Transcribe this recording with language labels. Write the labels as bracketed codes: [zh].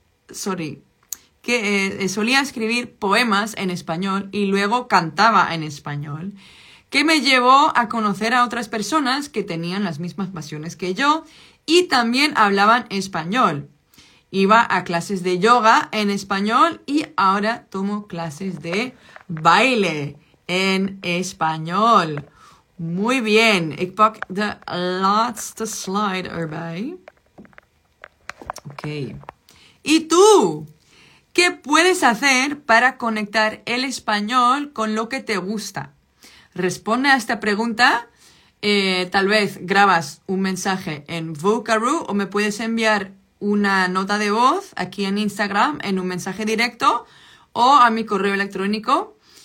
[es] solía escribir poemas en español y luego cantaba en español, que me llevó a conocer a otras personas que tenían las mismas pasiones que yo y también hablaban español. Iba a clases de yoga en español y ahora tomo clases de baile en español. Muy bien. [nl] Ik pak de laatste slide erbij. [es] Okay. ¿Y tú? ¿Qué puedes hacer para conectar el español con lo que te gusta? Responde a esta pregunta. Tal vez grabas un mensaje en Vocaroo o me puedes enviar una nota de voz aquí en Instagram en un mensaje directo o a mi correo electrónico.